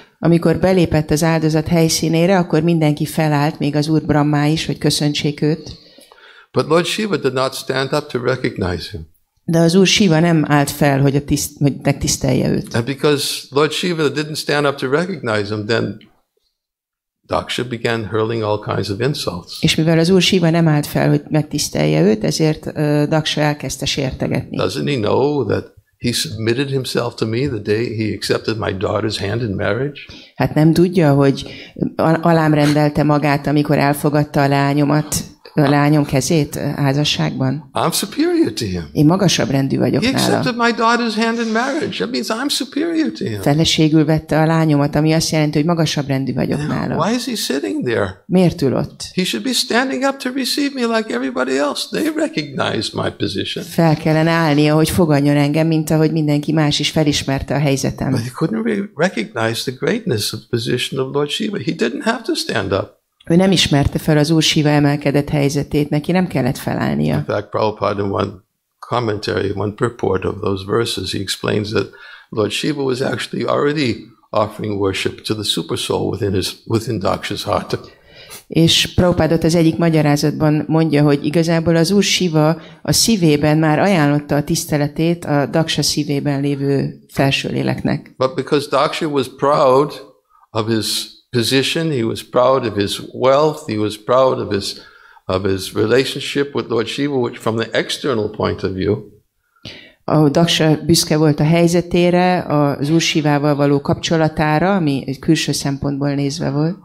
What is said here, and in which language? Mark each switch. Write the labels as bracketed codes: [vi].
[hu] Amikor belépett az áldozat helyszínére, akkor mindenki felállt, még az Úr Brahmá is, hogy köszöntsék őt. [en] But Lord Shiva did not stand up to recognize him. [hu] De az Úr Shiva nem állt fel, hogy a hogy megtisztelje őt. [en] And because Lord Shiva didn't stand up to recognize him, then Daksha began hurling all kinds of insults. [hu] És mivel az Úr Shiva nem állt fel, hogy megtisztelje őt, ezért Daksha elkezdte sértegetni. [en] Doesn't he know that he submitted himself to me the day he accepted my daughter's hand in marriage? [hu] Hát nem tudja, hogy alám rendelte magát, amikor elfogadta a lányomat, a lányom kezét házasságban. [en] I'm superior to him. [hu] Én magasabb rendű vagyok nála. [en] He accepted my daughter's hand in marriage. That means I'm superior to him. [hu] Feleségül vette a lányomat, ami azt jelenti, hogy magasabb rendű vagyok nála. [en] Why is he sitting there? [hu] Miért ül ott? [en] He should be standing up to receive me like everybody else. They recognize my position. [hu] Fel kellene állnia, hogy fogadjon engem, mint ahogy mindenki más is felismerte a helyzetem. [en] But he couldn't recognize the greatness of the position of Lord Shiva. He didn't have to stand up. [hu] Ő nem ismerte fel az Úr Shiva emelkedett helyzetét, neki nem kellett felállnia. [en] In fact, Prabhupada, in one commentary, one purport of those verses, he explains that Lord Shiva was actually already offering worship to the super soul within Daksha's heart. [hu] És Prabhupada az egyik magyarázatban mondja, hogy igazából az Úr Shiva a szívében már ajánlotta a tiszteletét a Daksha szívében lévő felső léleknek. [en] But because Daksha was proud of his position, he was proud of his wealth, he was proud of his relationship with Lord Shiva, which from the external point of view. [hu] Daksha büszke volt a helyzetére, az Úr Shivával való kapcsolatára, ami egy külső szempontból nézve volt.